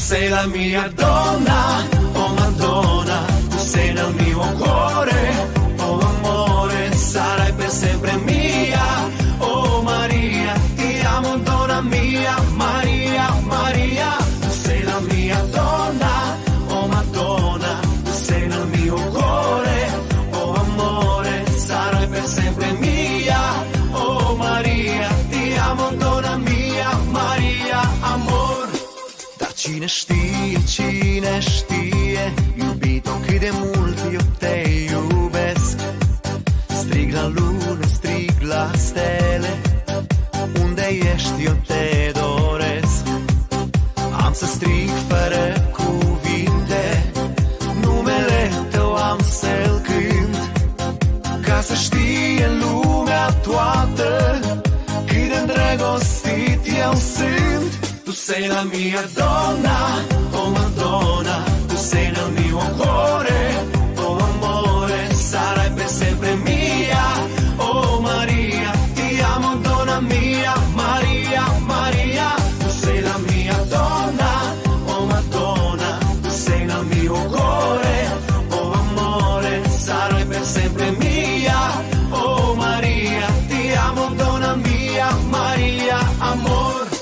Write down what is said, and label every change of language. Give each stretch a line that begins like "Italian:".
Italian: la mia donna, oh Madonna, tu sei nel mio cuore, oh amore, sarai per sempre mia, oh Maria, ti amo donna mia, Maria, Maria, tu sei la mia donna, oh Madonna, tu sei nel mio cuore, oh amore, sarai per sempre mia, oh Maria, ti amo donna mia, Maria, amor.
Romanian: Da cine știe, iubito cât de mult eu te iubesc. Strig la lună, strig la stele, unde ești eu te doresc. Am să strig fără cuvinte, numele tău am să-l cânt, ca să știe lumea toată cât de îndrăgostit eu sunt.
Italian: Tu sei la mia donna, oh Madonna, tu sei nel mio cuore, oh amore, sarai per sempre mia, oh Maria, ti amo donna mia, Maria, Maria. Tu sei la mia donna, oh Madonna, tu sei nel mio cuore, oh amore, sarai per sempre mia, oh Maria, ti amo donna mia, Maria, amor.